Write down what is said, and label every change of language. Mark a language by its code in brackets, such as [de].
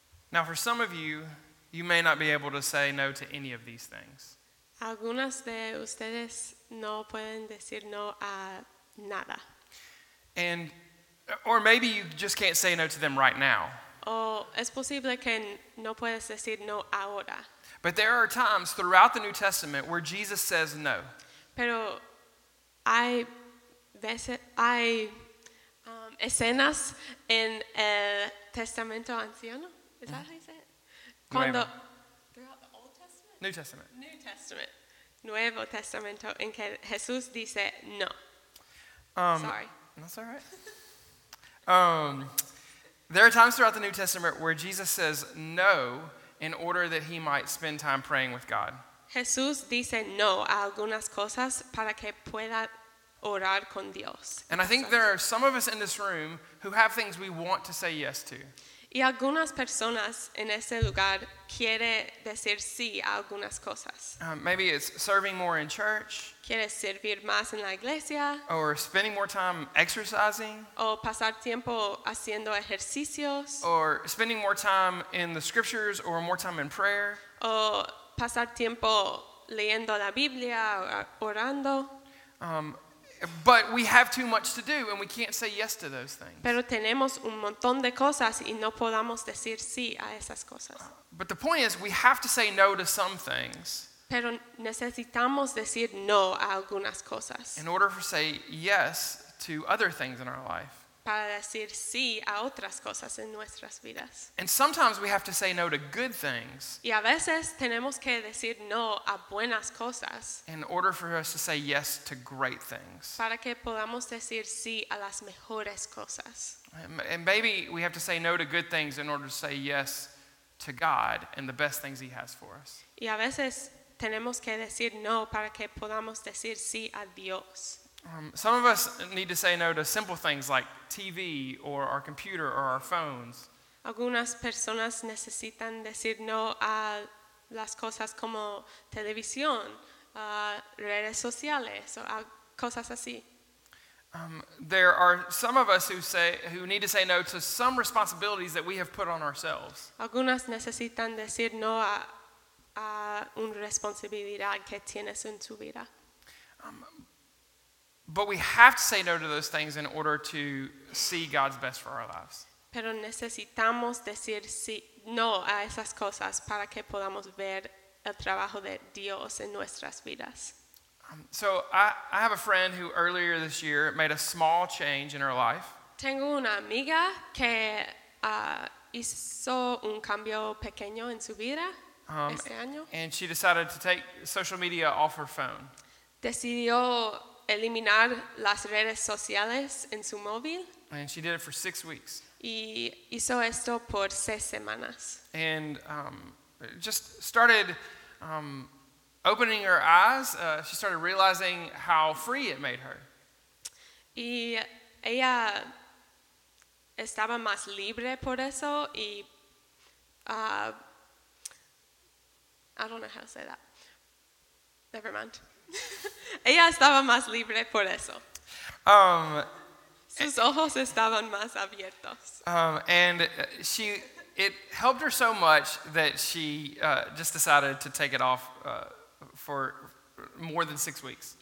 [en] Now, for some of you, you may not be able to say no to any of these things. [es] Algunas de ustedes no pueden decir no a nada. [en] And, or maybe you just can't say no to them right now. [es] O es posible que no puedes decir no ahora. [en] But there are times throughout the New Testament where Jesus says no. [es] Pero hay veces, hay escenas en el Testamento Anciano. [en] Is that how you say it? [es] Cuando, [en] throughout the Old Testament? New Testament. New Testament. [es] Nuevo Testamento, en que Jesús dice no. [en] Sorry. That's all right. There are times throughout the New Testament where Jesus says no in order that he might spend time praying with God. [es] Jesús dice no a algunas cosas para que pueda orar con Dios. [en] And I think there are some of us in this room who have things we want to say yes to. [es] Y algunas personas en ese lugar quiere decir sí a algunas cosas. [en] Maybe it's serving more in church. [es] Quiere servir más en la iglesia. [en] Or spending more time exercising. [es] O pasar tiempo haciendo ejercicios. [en] Or spending more time in the scriptures or more time in prayer. [es] O pasar tiempo leyendo la Biblia o orando. [en] But we have too much to do and we can't say yes to those things. [es] Pero tenemos un montón de cosas y no podamos decir sí a esas cosas. [en] But the point is we have to say no to some things. [es] Pero necesitamos decir no a algunas cosas. [en] In order to say yes to other things in our life. [es] Para decir sí a otras cosas en nuestras vidas. [en] And sometimes we have to say no to good things. [es] Y a veces tenemos que decir no a buenas cosas. [en] In order for us to say yes to great things. [es] Para que podamos decir sí a las mejores cosas. [en] And maybe we have to say no to good things in order to say yes to God and the best things he has for us. [es] Y a veces tenemos que decir no para que podamos decir sí a Dios. [en] Some of us need to say no to simple things like TV or our computer or our phones. [es] Algunas personas necesitan decir no a las cosas como televisión, redes sociales, o cosas así. [en] There are some of us who need to say no to some responsibilities that we have put on ourselves. [es] Algunas necesitan decir no a una responsabilidad que tienes en tu vida. [en] But we have to say no to those things in order to see God's best for our lives. [es] Pero necesitamos decir sí, no a esas cosas para que podamos ver el trabajo de Dios en nuestras vidas. [en] So I have a friend who earlier this year made a small change in her life. [es] Tengo una amiga que hizo un cambio pequeño en su vida este año. [en] And she decided to take social media off her phone. [es] Decidió eliminar las redes sociales en su móvil. [en] And she did it for 6 weeks. [es] Y hizo esto por 6 semanas. [en] And just started opening her eyes. She started realizing how free it made her. [es] Y ella estaba más libre por eso. [en] Y I don't know how to say that. Never mind. [es] Ella estaba más libre por eso. Sus ojos estaban más abiertos. [en] And it helped her so much that she just decided to take it off for more than 6 weeks.